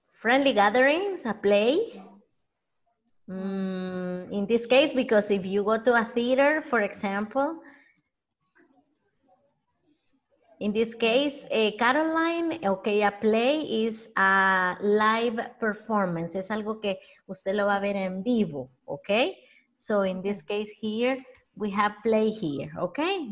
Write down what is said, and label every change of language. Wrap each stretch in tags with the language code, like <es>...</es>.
<en>Friendly gatherings, a play. In this case, because if you go to a theater, for example, in this case, Caroline, okay, a play is a live performance.</en> <es>Es algo que usted lo va a ver en vivo, okay?</es> <en>So in this case here, we have play here, okay?</en>